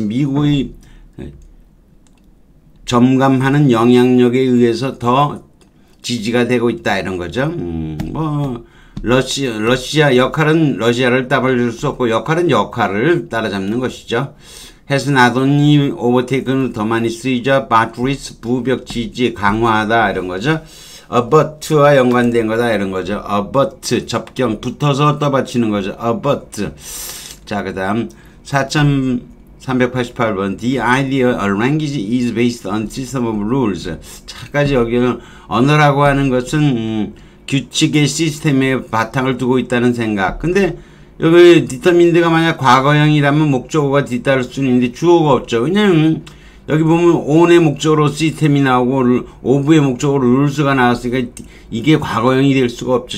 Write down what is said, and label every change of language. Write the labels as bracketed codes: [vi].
[ko] 미국이 점감하는 영향력에 의해서 더 지지가 되고 있다. 이런 거죠. 뭐 러시아 역할은 러시아를 따라잡을 수 없고 역할은 역할을 따라잡는 것이죠. [en] Has not only overtaken [ko] 더 많이 쓰이죠. Buttress 부벽 지지 강화하다 이런 거죠. Abut와 연관된 거다 이런 거죠. Abut 접경 붙어서 떠받치는 거죠. [en] Abut [ko] 자 그다음 4388번 [en] The idea a language is based on system of rules. [ko] 차까지 여기는 언어라고 하는 것은 규칙의 시스템에 바탕을 두고 있다는 생각. 근데 여기 디터민드가 만약 과거형이라면 목적어가 뒤따를 수는 있는데 주어가 없죠. 왜냐면 여기 보면 on의 목적으로 시스템이 나오고 of의 목적으로 rules가 나왔으니까 이게 과거형이 될 수가 없죠.